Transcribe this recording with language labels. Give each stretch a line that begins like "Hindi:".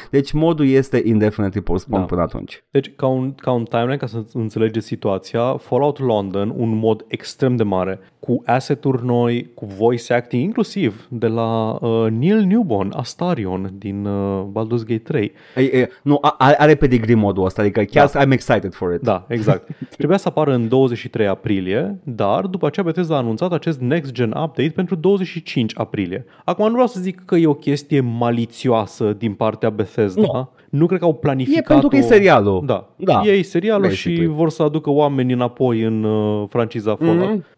Romanian: Deci modul este
English: indefinitely postponed
Romanian: până atunci. Deci ca un timeline, ca să înțelegeți situația, Fallout London, un mod extrem de mare, cu asset-uri noi, cu voice acting, inclusiv de la Neil Newbon, Astarion, din Baldur's Gate 3. Are pedigree modul ăsta, adică chiar
English: I'm excited for it.
Romanian: Da, exact. Trebuia să apară în 23 aprilie, dar după aceea Bethesda a anunțat acest next-gen update pentru 25 aprilie. Acum nu vreau să zic că e o chestie malițioasă din partea Bethesda. Nu cred că au planificat-o. E pentru că e serialul. Da. E serialul și vor să aducă oamenii înapoi în franciza Fallout. Mm-hmm.